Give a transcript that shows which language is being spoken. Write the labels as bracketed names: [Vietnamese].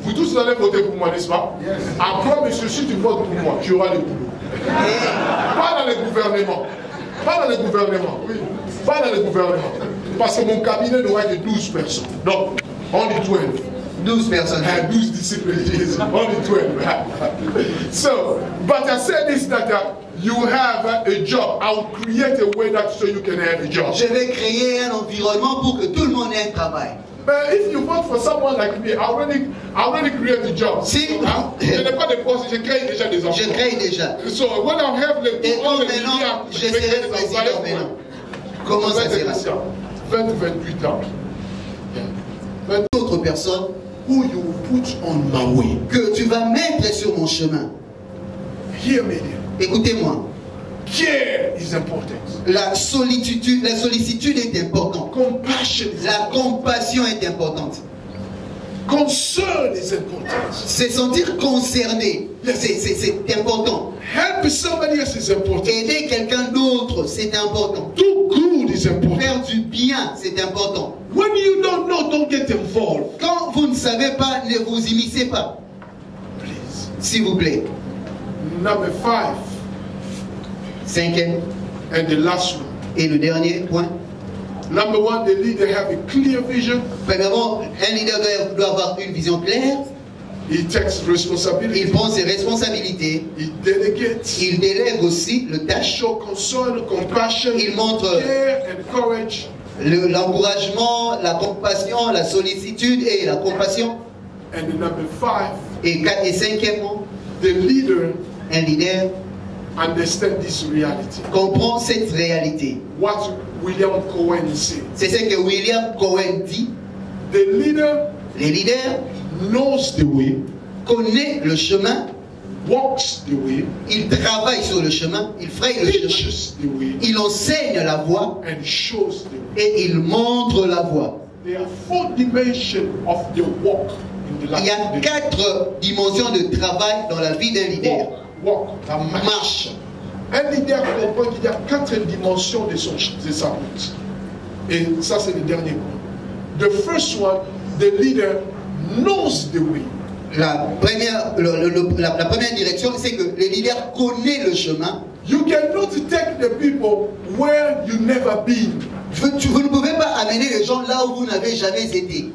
[French] Vous tous allez voter pour moi, n'est-ce pas? [English] Yes. [French] Après, monsieur, si tu votes pour moi, tu auras le boulot. Et... Pas dans le gouvernement. Oui. Pas dans le gouvernement. Parce que mon cabinet n'aura que 12 personnes. Donc, [English] only 12. [French] 12 personnes. [English] And 12 disciples of Jesus. Only 12. So, but I said this, that you have a job. I will create a way that so you can have a job. [French] Je vais créer un environnement pour que tout le monde ait un travail. [English] But if you vote for someone like me, I already create a job. [French] Si, je n'ai pas de poste, je crée déjà des emplois. Je crée déjà. [English] So when I have the power, [French] je serai le président maintenant. Comment ça sera? 20 ou 28 ans. Yeah. D'autres personnes, [English] who you put on my way, [French] que tu vas mettre sur mon chemin. [English] Hear me. [French] Écoutez-moi. [English] Care is important. [French] La sollicitude est importante. [English] Compassion. [French] La compassion est importante. [English] Concern is important. [French] Se sentir concerné, c'est important. [English] Help somebody else is important. [French] Aider quelqu'un d'autre, c'est important. [English] Do good is important. [French] Faire du bien, c'est important. [English] When you don't know, don't get involved. [French] Quand vous ne savez pas, ne vous immiscez pas. [English] Please. [French] S'il vous plaît. [English] Number five. [French] Cinquième. [English] And the last one. [French] Et le dernier point. [English] Number one, the leader have a clear vision. [French] Premièrement, un leader doit avoir une vision claire. [English] He takes responsibility. [French] Il prend ses responsabilités. [English] He delegates. [French] Il délègue aussi le tâche. [English] Show concern, compassion. [French] Il montre [English] care and courage. [French] L'encouragement, la compassion, la sollicitude et la compassion. [English] And number five. [French] Et cinquièmement, [English] the leader. [French] Un leader. [English] Understand this reality. [French] Comprend cette réalité. [English] What William Cohen said. [French] C'est ce que William Cohen dit. [English] The leader. [French] Le leader [English] knows the way. [French] Connaît le chemin. [English] Walks the way. [French] Il travaille sur le chemin. Il fraye le chemin. [English] Teaches the way. [French] Il enseigne la voie. [English] And shows the way. [French] Et il montre la voie. [English] There are four dimensions of the walk in the life. [French] Il y a quatre dimensions de travail dans la vie d'un leader. [English] Walk. Walk, [French] la marche. Un leader comprend qu'il y a quatre dimensions de sa route. Et ça, c'est le dernier point. [English] The first one, the leader knows the way. [French] La première direction, c'est que le leader connaît le chemin. [English] You cannot take the people where you never been. [French] Vous ne pouvez pas amener les gens là où vous n'avez jamais été.